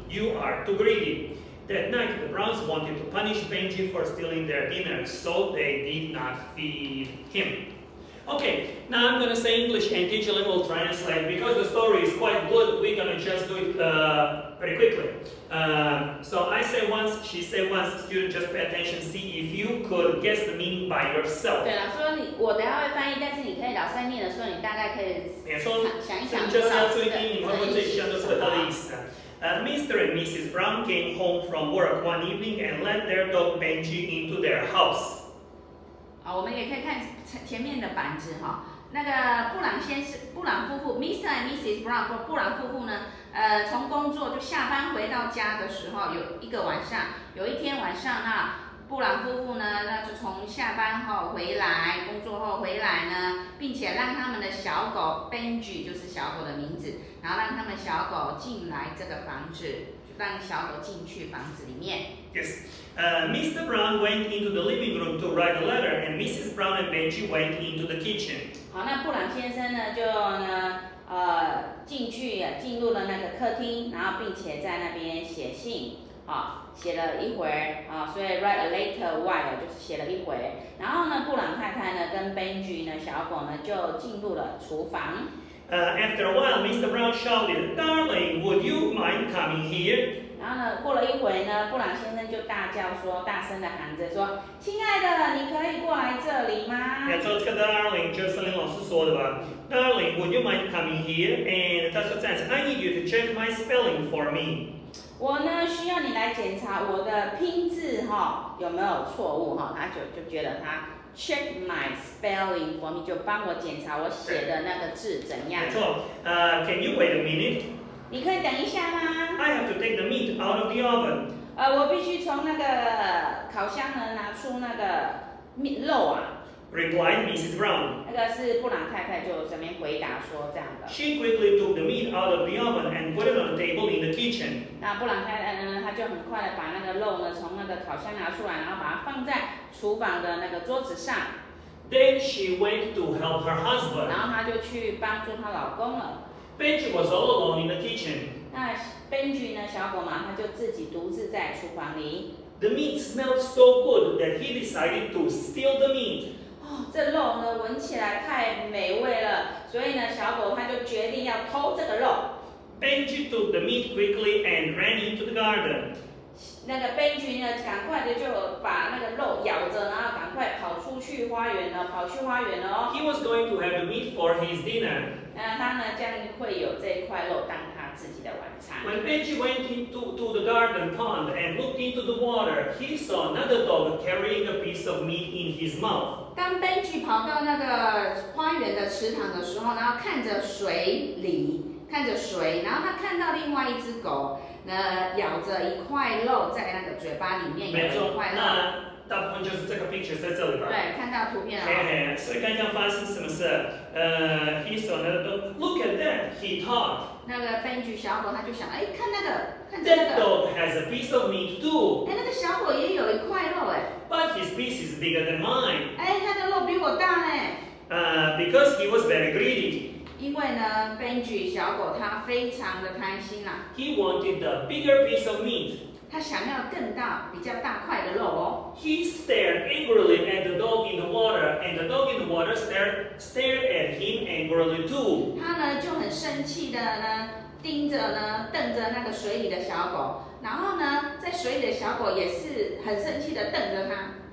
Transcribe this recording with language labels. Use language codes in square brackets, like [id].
[en] You are too greedy. That night, the Browns wanted to punish Benji for stealing their dinner, so they did not feed him. Okay, now I'm going to say English and teacher will translate. Because the story is quite good, we're going to just do it pretty quickly. So I say once, she say once, student just pay attention, see if you could guess the meaning by yourself. [zh] 对啦，所以我等下会翻译，但是你可以老师在念的时候，你大概可以想想一想，说这个英语会不会像这个的意思。 [en] Mr. and Mrs. Brown came home from work one evening and let their dog Benji into their house. [zh] 好，我们也可以看前面的板子哈。那个布朗先生、布朗夫妇 ，Mr. [en] and Mrs. [zh] Brown 或布朗夫妇呢，从工作就下班回到家的时候，有一个晚上，有一天晚上啊，布朗夫妇呢，那就从下班后回来，工作后回来呢，并且让他们的小狗 Benji 就是小狗的名字，然后让他们小狗进来这个房子，让小狗进去房子里面。 [en] Yes. Mr. Brown went into the living room to write a letter, and Mrs. Brown and Benji went into the kitchen. [zh] 好，那布朗先生呢，就呢，进入了那个客厅，然后并且在那边写信。好，写了一回啊，所以 [en] write a letter while [zh] 就是写了一回。然后呢，布朗太太呢跟 Benji 呢小狗呢就进入了厨房。 [en] After a while, Mr. Brown shouted, "Darling, would you mind coming here?" [zh] 然后呢，过了一回呢，布朗先生就大叫说，大声的喊着说，亲爱的，你可以过来这里吗？ [en] Yeah, so [zh] 这个 [en] darling [zh] 就是林老师说的吧。 [en] Darling, would you mind coming here? And [zh] 他说这样子 [en] ，I need you to check my spelling for me. [zh] 我呢需要你来检查我的拼字哈、哦、有没有错误哈、哦，他就觉得他。 [en] Check my spelling for me, [zh] 就帮我检查我写的那个字怎样。没错 [en] can you wait a minute? [zh] 你可以等一下吗？ [en] I have to take the meat out of the oven. [zh] 我必须从那个烤箱呢拿出那个肉啊。 [en] Replied Mrs. Brown. [zh] 那个是布朗太太就这边回答说这样的。 [en] She quickly took the meat out of the oven and put it on the table in the kitchen. [zh] 那布朗太太呢，她就很快的把那个肉呢从那个烤箱拿出来，然后把它放在厨房的那个桌子上。 [en] Then she went to help her husband. [zh] 然后她就去帮助她老公了。 [en] Benji was all alone in the kitchen. [zh] 那 Benji 呢，小狗嘛，他就自己独自在厨房里。 [en] The meat smelled so good that he decided to steal the meat. [zh] 这肉呢闻起来太美味了，所以呢小狗它就决定要偷这个肉。 [en] Benji took the meat quickly and ran into the garden. [zh] 那个 Benji 呢赶快的就把那个肉咬着，然后赶快跑出去花园了，跑去花园了哦。 [en] He was going to have the meat for his dinner. [zh] 那他呢将会有这块肉当他自己的晚餐。 [en] When Benji went into the garden pond and looked into the water, he saw another dog carrying a piece of meat in his mouth. [zh] 当 Benji 跑到那个花园的池塘的时候，然后看着水里，看着水，然后他看到另外一只狗，咬着一块肉在那个嘴巴里面咬一块肉。没错，那大部分就是这个 picture 在这里吧。对，看到图片 [en] 了。Okay, [zh] 所以刚刚发生什么事？ [en] He saw the dog. Look at that. He thought. [zh] 那个编剧小伙他就想，哎，看那个，看这个。 [en] That dog has a piece of meat too. [zh] 哎，那个小伙也有一块肉哎。 [en] But his piece is bigger than mine. [zh] 哎，他的肉比我大呢。 [en] Because he was very greedy. [zh] 因为呢，编剧小伙他非常的贪心啦。 [en] He wanted the bigger piece of meat. [zh] 他想要更大、比较大块的肉哦。 [en] He stared angrily at the dog in the water, and the dog in the water stared at him angrily too. [zh] 他呢就很生气的呢，盯着呢，瞪着那个水里的小狗，然后呢，在水里的小狗也是很生气的瞪着他。